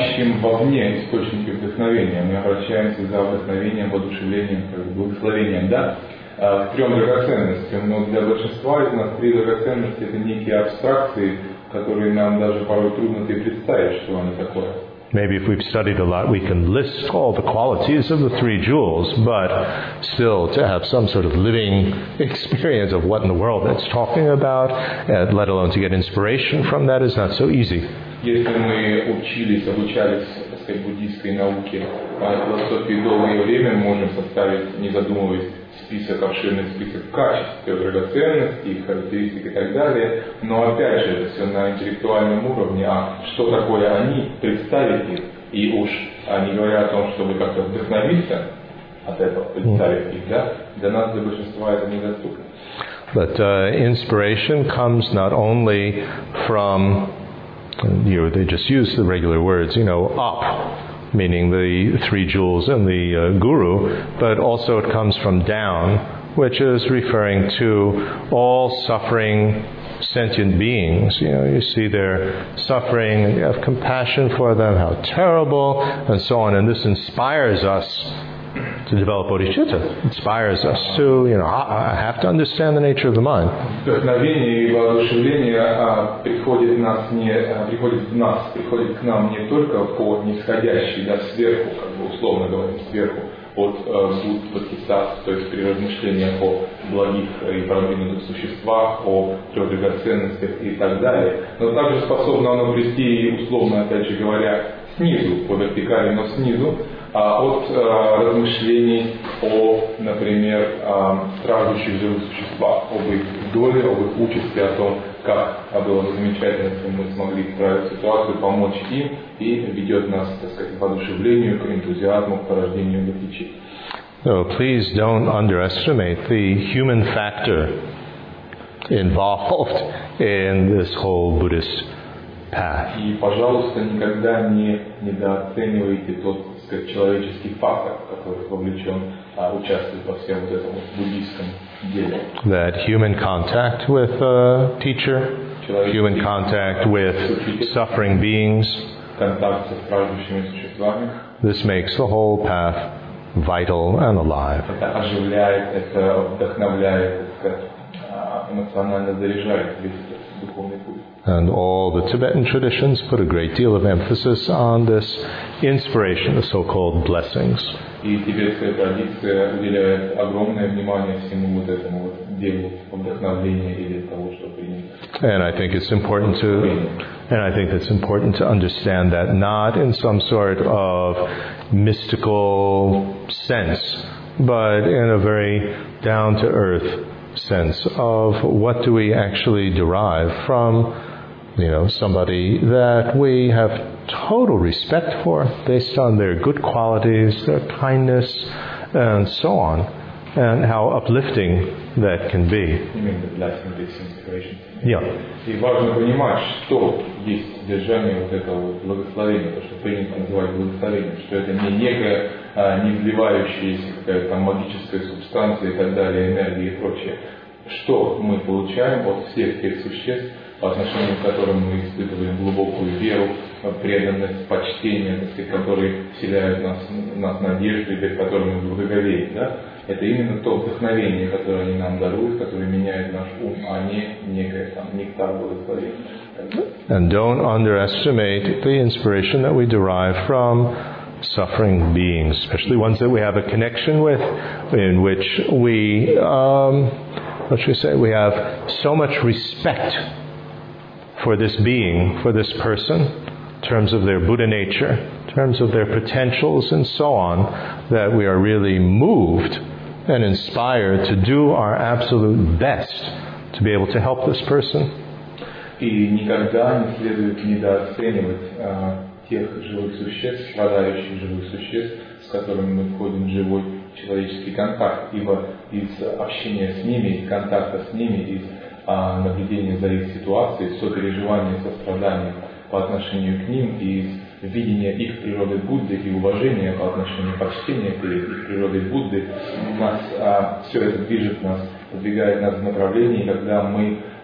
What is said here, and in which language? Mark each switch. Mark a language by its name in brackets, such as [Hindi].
[Russian] Мы ищем вовне источники вдохновения. Мы обращаемся за вдохновением, воодушевлением, благословением, да? К трем драгоценностям, но для большинства из нас три драгоценности – это некие абстракции, которые нам даже порой трудно себе представить, что они такое. [English] Maybe if we've studied a lot, we can list all the qualities of the three jewels, but still to have some sort of living experience of what in the world that's talking about, let alone to get inspiration from that, is not so easy. [Russian] Если мы обучались этой буддийской науке, философии долгое время, мы можем составить, не задумываясь, список, обширный список качеств, драгоценностей, характеристик и так далее. Но опять же, это все на интеллектуальном уровне. А что такое они, представить их, и уж не говоря о том, чтобы как-то вдохновиться от этого, представить их, да, для нас, для большинства, это недоступно. [English] But inspiration comes not only from, you know, they just use the regular words, you know, up, meaning the three jewels and the guru, but also it comes from down, which is referring to all suffering sentient beings. You know, you see their suffering, and you have compassion for them, how terrible, and so on. And this inspires us to develop bodhicitta, inspires us to, you know, I have to understand the nature of the mind. [Russian] Вдохновение и воодушевление приходит к нам не только по нисходящей, да, сверху, как бы условно говоря, сверху, от буддхисат, то есть при размышлениях о благих и продвинутых существах, о трех драгоценностях и так далее, но также способно оно прийти, условно, опять же говоря, снизу, по вертикали, но снизу, от размышлений о, например, страждущих живых существах, об их доле, об их участи, о том, как было бы замечательно, если мы смогли исправить ситуацию, помочь им, и ведет нас, так сказать, к воодушевлению, к энтузиазму, к порождению бхакти. [English] So please don't underestimate the human factor involved in this whole Buddhist path. [Russian] И, пожалуйста, никогда не недооценивайте тот человеческий фактор, который вовлечен, участвует во всем вот этом буддийском деле. [English] That human contact with a teacher, human contact with suffering beings, [Russian] контакт со страждущими существами, [English] this makes the whole path vital and alive. [Russian] Это оживляет, это вдохновляет, это эмоционально заряжает весь этот духовный путь. [English] And all the Tibetan traditions put a great deal of emphasis on this inspiration, the so-called blessings. [Russian] И тибетская традиция уделяет огромное внимание всему вот этому вот делу вдохновления или того, что принято. [English] And I think it's important to understand that not in some sort of mystical sense, but in a very down-to-earth sense of what do we actually derive from, you know, somebody that we have total respect for based on their good qualities, their kindness, and so on, and how uplifting that can be. You mean the blessing, this inspiration? Yeah. [Russian] И важно понимать, что есть содержание вот этого благословения, то, что принято называть благословением, что это не некая не вливающаяся какая-то магическая субстанция и так далее, энергия и прочее. Что мы получаем от всех тех существ, по отношению к которым мы испытываем глубокую веру, преданность, почтение, которые вселяют в нас надежду и перед которыми мы благоговеем, да? Это именно то вдохновение, которое они нам даруют, которое меняет наш ум, а не некое там нектар благословения. [English] And don't underestimate the inspiration that we derive from suffering beings, especially ones that we have a connection with, in which we, what should we say, we have so much respect for this being, for this person, in terms of their Buddha nature, terms of their potentials and so on, that we are really moved and inspired to do our absolute best to be able to help this person. [Russian] И никогда не следует недооценивать тех живых существ, страдающих живых существ, с которыми мы входим в живой человеческий контакт, ибо из общения с ними, контакта с ними, из наблюдения за их ситуацией, сопереживания, сострадания по отношению к ним, и из видения их природы Будды и уважения по отношению почтения перед их природой Будды, нас все это движет нас, подвигает нас в направлении, когда мы